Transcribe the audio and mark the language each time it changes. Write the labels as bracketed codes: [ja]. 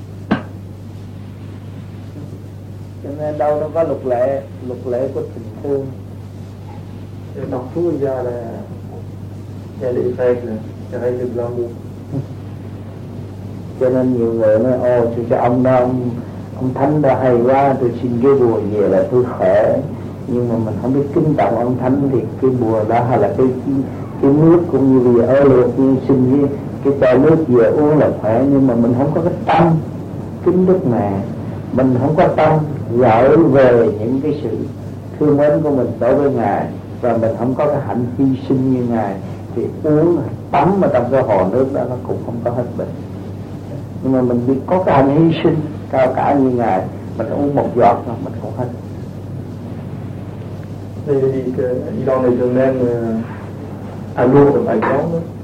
[fr] conseil était de même dans ses deux ans. [vi] Cho nên đâu nó có luật lệ, luật lệ của tình thương. [fr] Partout, il y a les règles de l'amour. [vi] Cho nên nhiều người nói, ô, chú cho ông đó, ông Thánh đã hay quá, tôi xin cái bùa về là tôi khỏe. Nhưng mà mình không biết kính trọng ông Thánh thì cái bùa đó hay là cái nước cũng như vì ơ lược như xin cái chai nước về uống là khỏe, nhưng mà mình không có cái tâm kính đức mẹ, mình không có tâm gỡ về những cái sự thương mến của mình đối với Ngài, và mình không có cái hạnh hy sinh như Ngài thì uống tắm mà trong cái hồ nước đó nó cũng không có hết bệnh. Nhưng mà mình biết có cái hạnh hy sinh cao cả như Ngài, mình uống một giọt mà mình cũng hết. [fr] Il en est de même à Lourdes, par exemple.